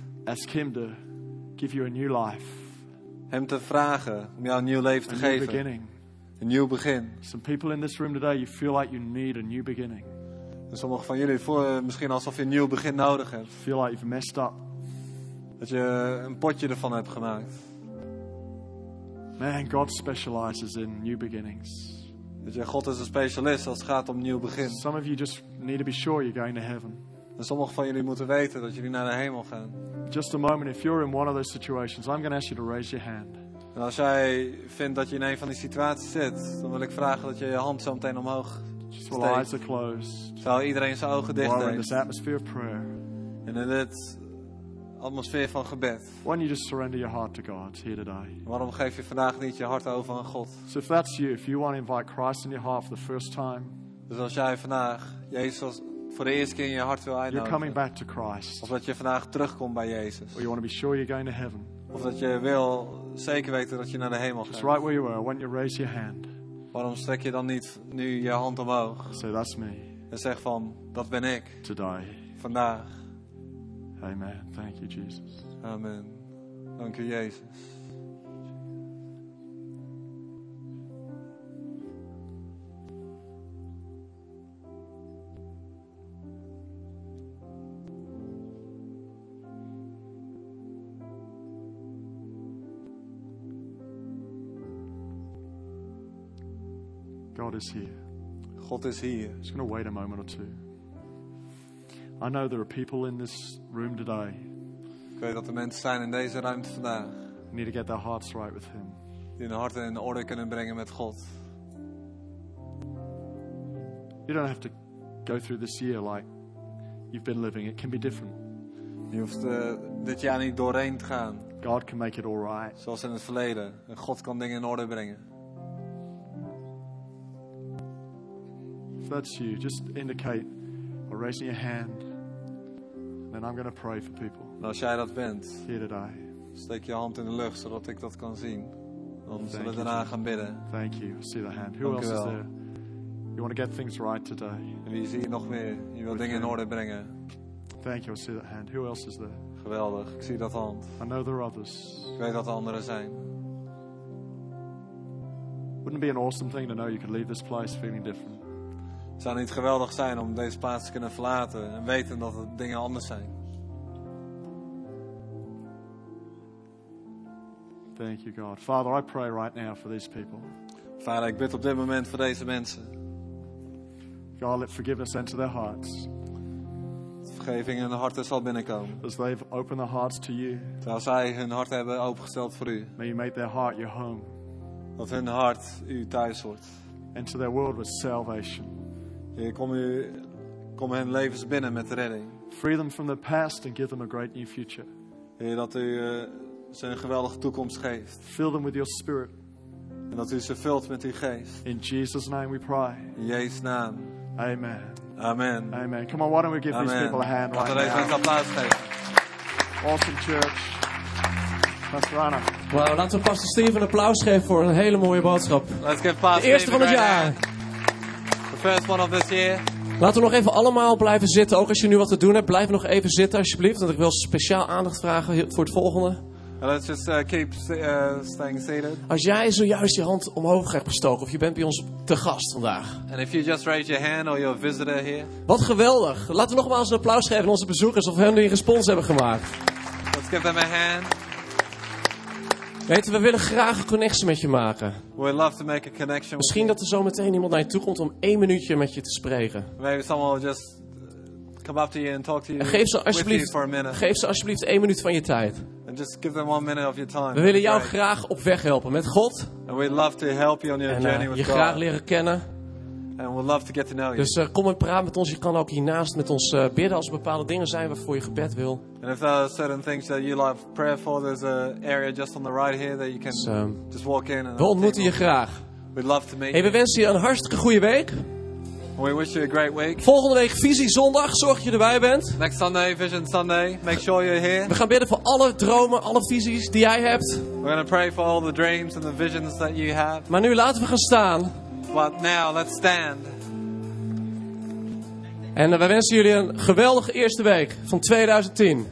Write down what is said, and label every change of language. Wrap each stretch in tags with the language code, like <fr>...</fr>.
<en>Ask him to give you a new life.</en> <nl>Hem te vragen om jou een nieuw leven te geven.</nl> <en>A new beginning.</en> <nl>Een nieuw begin.</nl> <en>Some people in this room today, you feel like you need a new beginning.</en> <nl>En sommigen van jullie voelen misschien alsof je een nieuw begin nodig hebt.</nl> <en>Feel like you've messed up.</en> <nl>Dat je een potje ervan hebt gemaakt.</nl> <en>Man, God specializes in new beginnings.</en> <nl>Dat je, God is een specialist als het gaat om nieuw begin.</nl> <en>Some of you just need to be sure you're going to heaven.</en> <nl>En sommigen van jullie moeten weten dat jullie naar de hemel gaan.</nl> <en>Just a moment, if you're in one of those situations, I'm going to ask you to raise your hand.</en> <nl>En als jij vindt dat je in een van die situaties zit, dan wil ik vragen dat je je hand zo meteen omhoog steekt.</nl> <en>While eyes are closed.</en> <nl>Terwijl iedereen zijn ogen dicht heeft.</nl> <en>In this atmosphere of prayer.</en> <nl>En in dit atmosfeer van gebed.</nl> <en>Why don't you just surrender your heart to God here today?</en> <nl>Waarom geef je vandaag niet je hart over aan God?</nl> <en>So if that's you, if you want to invite Christ in your heart for the first time.</en> <nl>Dus als jij vandaag Jezus voor de eerste keer in je hart wil uitnodigen.</nl> <en>You're coming back to Christ.</en> <nl>Of dat je vandaag terugkomt bij Jezus.</nl> <en>Or you want to be sure you're going to heaven.</en> <nl>Of dat je wil zeker weten dat je naar de hemel gaat.</nl> <en>Just right where you are, why don't you raise your hand?</en> <nl>Waarom strek je dan niet nu je hand omhoog?</nl> <en>So that's me.</en> <nl>En zeg van, dat ben ik.</nl> <en>Today.</en> <nl>Vandaag.</nl> <en>Amen. Thank you, Jesus.</en> <nl>Amen. Dank u, Jezus.</nl> <en>God is here.</en> <nl>God is here.</nl> <en>I'm just going to wait a moment or two. I know there are people in this room today.</en> <nl>Ik weet dat er mensen zijn in deze ruimte vandaag.</nl> <en>Need to get their hearts right with Him.</en> <nl>Die hun harten in orde kunnen brengen met God.</nl> <en>You don't have to go through this year like you've been living. It can be different.</en> <nl>Je hoeft dit jaar niet doorheen te gaan.</nl> <en>God can make it all right.</en> <nl>Zoals in het verleden. En God kan dingen in orde brengen.</nl> <en>If that's you, just indicate. Raising your hand, and I'm going to pray for people.</en> <nl>Als jij dat bent,</nl> <en>here today.</en> <nl>Steek je hand in de lucht zodat ik dat kan zien. Dan zullen we daarna gaan bidden.</nl> <en>Thank you. See the hand. Who else is there? You want to get things right today?</en> <nl>En wie zie je nog meer? Je wil dingen in orde brengen.</nl> <en>Thank you. I see that hand. Who else is there?</en> <nl>Geweldig. Ik zie dat hand.</nl> <en>I know there are others.</en> <nl>Ik weet dat er anderen zijn.</nl> <en>Wouldn't it be an awesome thing to know you could leave this place feeling different?</en> <nl>Het zou niet geweldig zijn om deze plaats te kunnen verlaten en weten dat er dingen anders zijn.</nl> <en>Thank you, God. Father, I pray right now for these people.</en> <nl>Vader, ik bid op dit moment voor deze mensen.</nl> <en>God, let forgiveness enter their hearts.</en> <nl>De vergeving in hun harten zal binnenkomen.</nl> <en>As they've opened their hearts to you.</en> <nl>Terwijl zij hun hart hebben opengesteld voor u.</nl> <en>May you make their heart your home.</en> <nl>Dat hun hart uw thuis wordt.</nl> <en>Enter their world with salvation.</en> <nl>Heer, kom hen levens binnen met redding.</nl> <en>Free them from the past and give them a great new future.</en> <nl>Heer, dat u ze een geweldige toekomst geeft.</nl> <en>Fill them with your spirit.</en> <nl>En dat u ze vult met uw geest.</nl> <en>In Jesus' name we pray.</en> <nl>In Jezus' naam.</nl> <en>Amen.</en> <nl>Amen.</nl> <en>Amen. Come on, why don't we give</en> <nl>Amen.</nl> <en>These people a hand</en> <nl>Laten</nl> <en>right now.</en> <nl>Laten we deze applaus geven.</nl> <en>Awesome church. Pastor Anna.</en> <nl>Well, laten we Pastor Steve een applaus geven voor een hele mooie boodschap.</nl> <en>Let's give Pastor</en> <nl>De eerste</nl> <en>Steve</en> <nl>van het jaar.</nl> <en>Hand. First one of this year.</en> <nl>Laten we nog even allemaal blijven zitten. Ook als je nu wat te doen hebt, blijf nog even zitten alsjeblieft. Want ik wil speciaal aandacht vragen voor het volgende.</nl> <en>Let's just keep staying seated.</en> <nl>Als jij zojuist je hand omhoog hebt gestoken of je bent bij ons te gast vandaag.</nl> <en>And if you just raise your hand or you're a visitor here.</en> <nl>Wat geweldig. Laten we nogmaals een applaus geven aan onze bezoekers of hun die een respons hebben gemaakt.</nl> <en>Let's give them a hand.</en> <nl>Weet je, we willen graag een connectie met je maken.</nl> <en>We'd love to make a connection.</en> <nl>Misschien dat er zo meteen iemand naar je toe komt om één minuutje met je te spreken.</nl> <en>Maybe someone will just come up to you and talk to you.</en> <nl>En geef ze alsjeblieft,</nl> <en>with you for a minute.</en> <nl>Geef ze alsjeblieft één minuut van je tijd.</nl> <en>And just give them one minute of your time.</en> <nl>We willen jou</nl> <en>right.</en> <nl>graag op weg helpen met God.</nl> <en>And we'd love to help you on your</en> <nl>en,</nl> <en>journey with</en> <nl>je</nl> <en>God.</en> <nl>Je graag leren kennen.</nl> <en>And we'd love to get to know you.</en> <nl>Dus kom en praat met ons. Je kan ook hiernaast met ons bidden als er bepaalde dingen zijn waarvoor je gebed wil.</nl> <en>And if there are certain things that you like prayer for, there's an area just on the right here that you can just walk in.</en> <nl>We ontmoeten je graag.</nl> <en>We'd love to meet you.</en> <nl>We wensen je een hartstikke goede week.</nl> <en>We wish you a great week.</en> <nl>Volgende week Visie Zondag. Zorg dat je erbij bent.</nl> <en>Next Sunday, Vision Sunday. Make sure you're here.</en> <nl>We gaan bidden voor alle dromen, alle visies die jij hebt.</nl> <en>We're going to pray for all the dreams and the visions that you have.</en> <nl>Maar nu laten we gaan staan.</nl> <en>But now let's stand.</en> <nl>En we wensen jullie een geweldige eerste week van 2010.</nl>